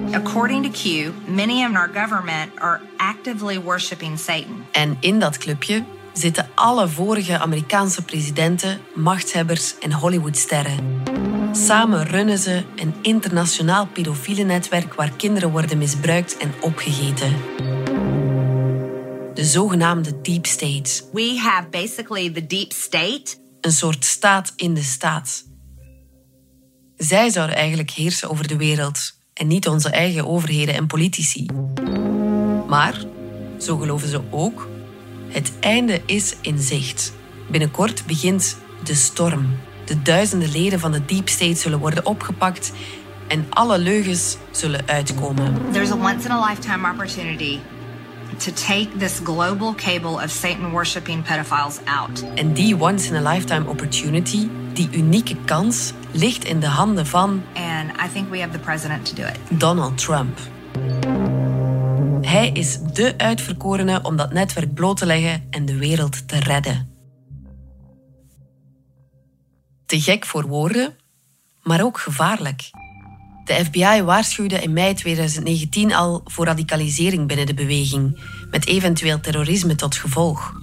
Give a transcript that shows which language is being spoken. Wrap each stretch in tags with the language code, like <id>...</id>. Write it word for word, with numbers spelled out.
<en>According to Q, many in our government are actively worshiping Satan.</en> <nl>En in dat clubje zitten alle vorige Amerikaanse presidenten, machthebbers en Hollywoodsterren. Samen runnen ze een internationaal pedofiele netwerk waar kinderen worden misbruikt en opgegeten. De zogenaamde deep state.</nl> <en>We have basically the deep state.</en> <nl>Een soort staat in de staat. Zij zouden eigenlijk heersen over de wereld en niet onze eigen overheden en politici. Maar, zo geloven ze ook, het einde is in zicht. Binnenkort begint de storm. De duizenden leden van de deep state zullen worden opgepakt en alle leugens zullen uitkomen.</nl> <en>There's a once in a lifetime opportunity to take this global cable of Satan worshiping pedophiles out.</en> <nl>En die</nl> <en>once in a lifetime opportunity,</en> <nl>die unieke kans, ligt in de handen van</nl> <en>And I think we have the president to do it.</en> <nl>Donald Trump. Hij is dé uitverkorene om dat netwerk bloot te leggen en de wereld te redden. Te gek voor woorden, maar ook gevaarlijk. De F B I waarschuwde in mei twintig negentien al voor radicalisering binnen de beweging, met eventueel terrorisme tot gevolg.</nl>